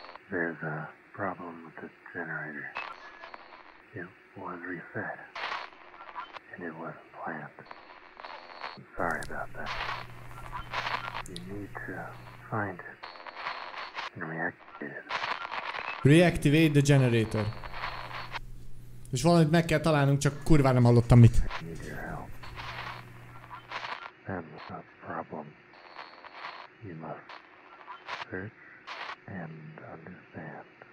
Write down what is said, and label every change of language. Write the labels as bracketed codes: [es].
[en] There's a problem with the generator. It was reset. And it was plant. Sorry about that. You need to find it and reactivate it. Reactivate the generator. [hu] És valamit meg kell találnunk, csak kurvá nem hallottam mit. [en] Need your help. That's a problem. You must search and understand.